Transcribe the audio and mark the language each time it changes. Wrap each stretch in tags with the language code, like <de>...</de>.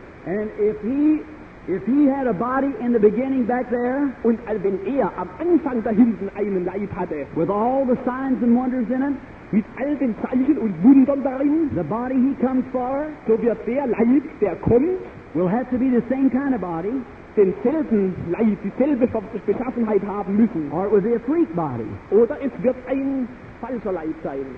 <en>And if he had a body in the beginning back there,</en> <de>und wenn er am Anfang da hinten einen Leib hatte,</de> <en>with all the signs and wonders in it,</en> <de>mit all den Zeichen und Wundern darin,</de> <en>the body he comes for,</en> <de>so wird der Leib, der kommt,</de> <en>will have to be the same kind of body,</en> <de>denselben Leib, dieselbe Beschaffenheit haben müssen,</de> <en>or it will be a freak body,</en> <de>oder es wird ein falscher Leib sein.</de>